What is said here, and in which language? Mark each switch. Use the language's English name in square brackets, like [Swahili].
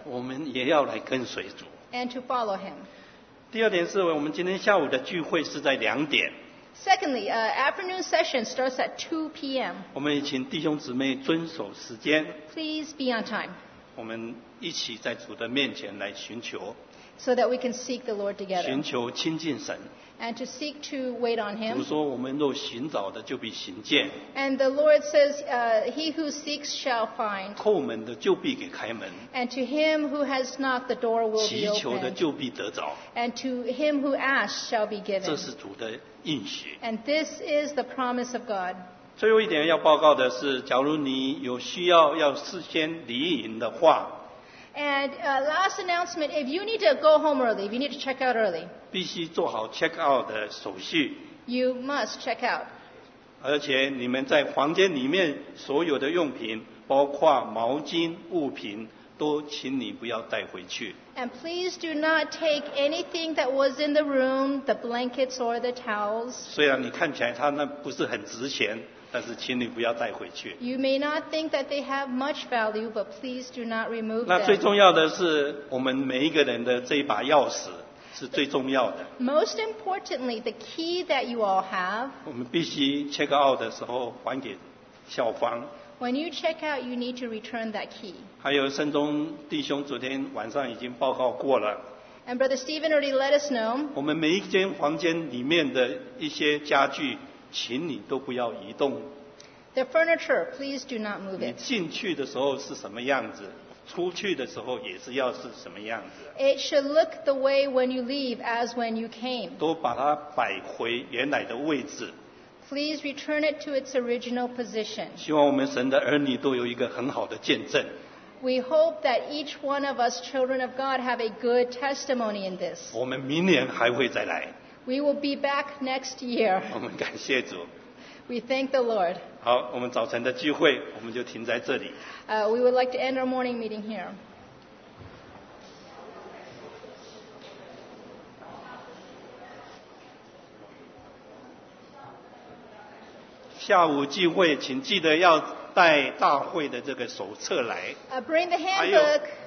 [Chinese] 我们也要来跟随主。 [English] And to follow Him. [Chinese] 第二点是我们今天下午的聚会是在两点。 [English] Secondly, afternoon session starts at 2 p.m. [Chinese] 我们也请弟兄姊妹遵守时间。 [English] Please be on time. [Chinese] 我们一起在主的面前来寻求。 [English] So that we can seek the Lord together. [Chinese] 寻求亲近神。 [English] And to seek to wait on Him. [Chinese] 主说我们若寻找的就必寻见。 [English] And the Lord says, He who seeks shall find. [Chinese] 叩门的就必给开门。 [English] And to him who has knocked, the door will be opened. [Chinese] 祈求的就必得着。 [English] And to him who asks shall be given. [Chinese] 这是主的应许。 [English] And this is the promise of God. [Chinese] 最后一点要报告的是，假如你有需要要事先离营的话， [English] And last announcement, if you need to go home early, if you need to check out early, [Chinese] 必须做好 check out 的手续。 [English] You must check out. [Chinese] 而且你们在房间里面所有的用品，包括毛巾、物品，都请你不要带回去。 [English] And please do not take anything that was in the room, the blankets or the towels. [Chinese] 虽然你看起来它那不是很值钱。但是请你不要带回去。 [English] You may not think that they have much value, but please do not remove them. [Chinese] 那最重要的是我们每一个人的这一把钥匙是最重要的。 [English] Most importantly, the key that you all have. [Chinese] 我们必须 check out 的时候还给校方。 [English] When you check out, you need to return that key. [Chinese] 还有圣中弟兄昨天晚上已经报告过了。 [English] And Brother Stephen already let us know. [Chinese] 我们每一间房间里面的一些家具请你都不要移动。 [English] The furniture, please do not move it. [Chinese] 你进去的时候是什么样子，出去的时候也是要是什么样子。 [English] It should look the way when you leave as when you came. [Chinese] 都把它摆回原来的位置。 [English] Please return it to its original position. [Chinese] 希望我们神的儿女都有一个很好的见证。 [English] We hope that each one of us children of God have a good testimony in this. [Chinese] 我们明年还会再来。 [English] We will be back next year. [Chinese] 我们感谢主。 [English] We thank the Lord. [Chinese] 好，我们早晨的聚会，我们就停在这里。 [English] We would like to end our morning meeting here. Bring the handbook.